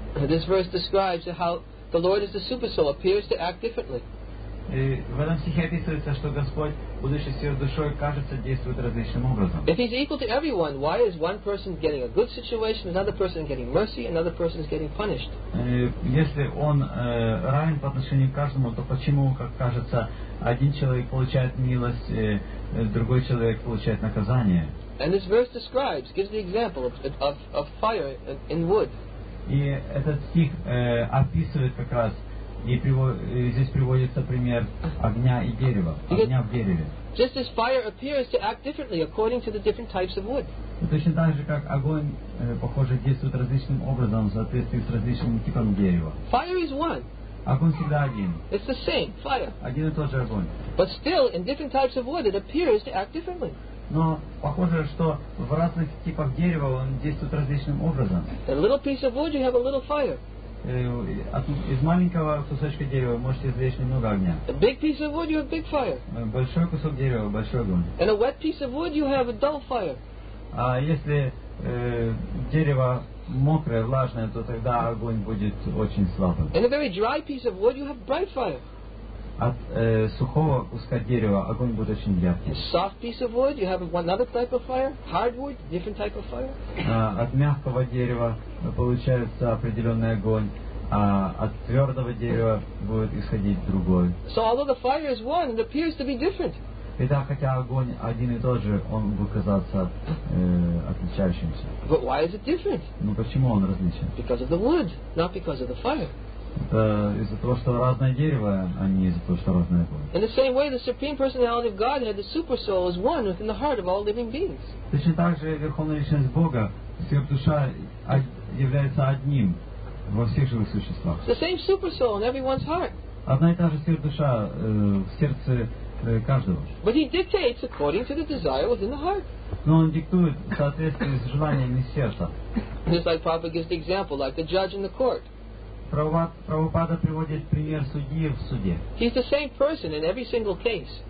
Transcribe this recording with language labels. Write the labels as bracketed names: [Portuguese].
[English] This verse describes how the Lord is the super soul appears to act differently. [Russian] В этом стихе описывается, что Господь, будучи сверхдушой, кажется действует различным образом. [English] If he's equal to everyone, why is one person getting a good situation, another person getting mercy, another person is getting punished? [Russian] Если он равен по отношению к каждому, то почему, как кажется, один человек получает милость, другой человек получает наказание? [English] And this verse describes, gives the example of fire in wood. [Russian] И этот стих описывает как раз. И здесь приводится пример огня и дерева. Огня в дереве. [English] Just as fire appears to act differently according to the different types of wood. [Russian] Точно так же, как огонь, похоже, действует различным образом в соответствии с различным типом дерева. [English] Fire is one. [Russian] Огонь всегда один. [English] It's the same fire. [Russian] Один и тот же огонь. [English] But still, in different types of wood, it appears to act differently. [Russian] Но похоже, что в разных типах дерева он действует различным образом. [English] A little piece of wood, you have a little fire. [Russian] Из маленького кусочка дерева можете извлечь немного огня. [English] A big piece of wood, you have big fire. [Russian] Большой кусок дерева, большой огонь. [English] And a wet piece of wood, you have a dull fire. [Russian] А если дерево мокрое, влажное, то тогда огонь будет очень слабым. [English] And a very dry piece of wood, you have bright fire. [Russian] От сухого куска дерева огонь будет очень яркий. [English] Soft piece of wood, you have another type of fire. Hard wood, different type of fire. [Russian] От мягкого дерева получается определенный огонь, а от твердого дерева будет исходить другой. [English] So although the fire is one, it appears to be different. [Russian] И да, хотя огонь один и тот же, он будет казаться отличающимся. [English] But why is it different? [Russian] Ну почему он различен? [English] Because of the wood, not because of the fire. [Russian] Это из-за того, что разное дерево, а не из-за того, что разное огонь. [English] In the same way, the Supreme Personality of Godhead, the Super Soul, is one within the heart of all living beings. [Russian] Точно так же Верховная Личность Бога, Сверхдуша, является одним во всех живых существах. [English] The same Super Soul in everyone's heart. [Russian] Одна и та же Сверхдуша в сердце каждого. [English] But he dictates according to the desire within the heart. [Russian] Но он диктует в соответствии с желаниями сердца. [English] Just like Prabhupada gives the example, like the judge in the court. [Russian] Прабхупада приводит пример судьи в суде. [English] He's the same person in every single case.